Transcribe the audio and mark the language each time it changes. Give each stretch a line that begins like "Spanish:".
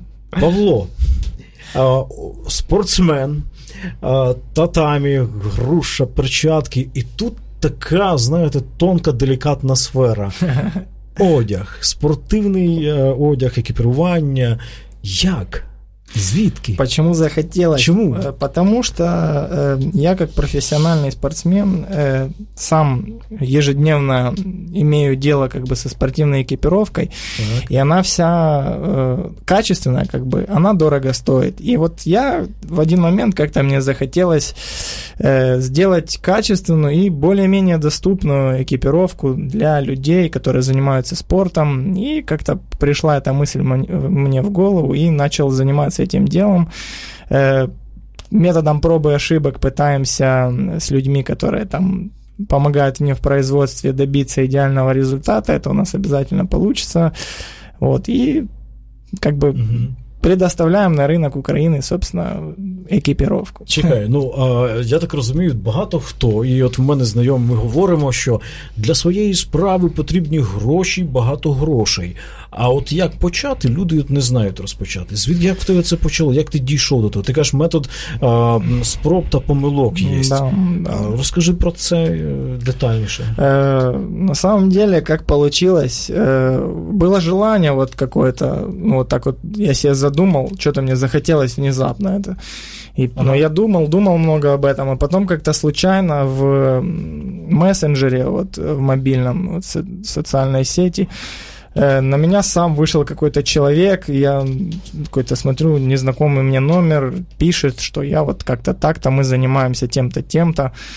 Ukrainian: Павло, спортсмен, татамі, груша, перчатки, і тут така, знаєте, тонка, делікатна сфера. Одяг, спортивний одяг, екіпірування. Як? Звідки?
Russian: Почему захотелось? Почему? Потому что я как профессиональный спортсмен сам ежедневно имею дело как бы со спортивной экипировкой, так. И она вся качественная, как бы, она дорого стоит. И вот я в один момент как-то мне захотелось сделать качественную и более-менее доступную экипировку для людей, которые занимаются спортом, и как-то пришла эта мысль мне в голову и начал заниматься этим делом. Методом проб и ошибок пытаемся с людьми, которые там помогают мне в производстве, добиться идеального результата. Это у нас обязательно получится. Вот. И как бы предоставляем на рынок Украины, собственно, экипировку.
Ukrainian: Чекай, ну, я так розумію, багато хто, і от в мене знайомі, ми говоримо, що для своєї справи потрібні гроші, багато грошей. А от як почати, люди от не знають розпочати. Звідки, як в тебе це почало, як ти дійшов до того? Ти кажеш, метод спроб та помилок є.
Russian: Да, да.
Ukrainian: Розкажи про це детальніше.
Russian: На самом деле, як получилось, було желание вот какое-то, ну, вот так вот, я себе задумал, что-то мне захотелось внезапно это. И, ага. Но я думал много об этом, а потом как-то случайно в мессенджере, вот в мобильном, вот, социальной сети, на меня сам вышел какой-то человек, я какой-то смотрю, незнакомый мне номер, пишет, что я вот как-то так-то, мы занимаемся тем-то, тем-то.